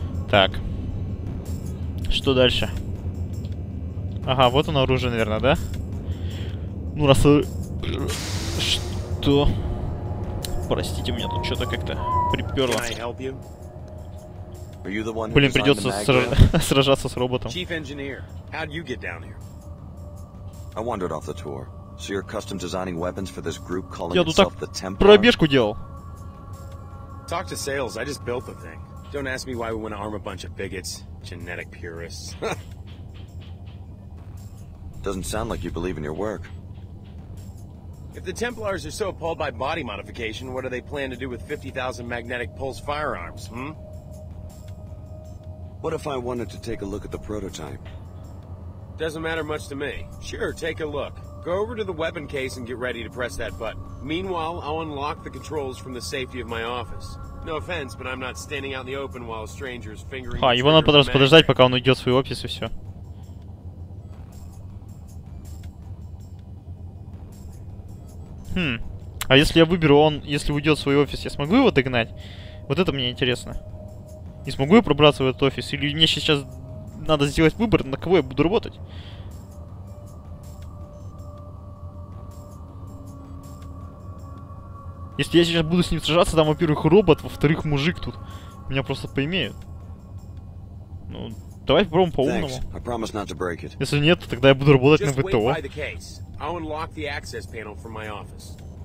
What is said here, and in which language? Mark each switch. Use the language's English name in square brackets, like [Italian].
[Russian] Так. Что дальше? Ага, вот оно оружие, наверное, да? Ну, раз... Что? Простите, у меня тут что-то как-то приперло. Блин, придется сражаться с роботом. [English] Chief engineer, how'd you get down here? I wandered off the tour. So you're custom designing weapons for this group calling itself the Templar? [Russian] Пробежку делал. [English] Talk to sales. I just built the thing. Don't ask me why we want to arm a bunch of bigots, genetic purists. Doesn't sound like you believe in your work. If the Templars are so appalled by body modification, what do they plan to do with 50,000 magnetic pulse firearms, hmm? What if I wanted to take a look at the prototype? Doesn't matter much to me. Sure, take a look. Go over to the weapon case and get ready to press that button. Meanwhile, I'll unlock the controls from the safety of my office. No offense, but I'm not standing out in the open while a stranger is fingering... [Russian] А, его надо подождать, пока он уйдет в свой офис и все. Хм, а если я выберу, он, если уйдет в свой офис, я смогу его догнать? Вот это мне интересно. И смогу я пробраться в этот офис? Или мне сейчас надо сделать выбор, на кого я буду работать? Если я сейчас буду с ним сражаться, там, во-первых, робот, во-вторых, мужик тут. Меня просто поимеют. Ну, давай попробуем по-умному. Если нет, то тогда я буду работать на ВТО. [English] I'll unlock the access panel from my office.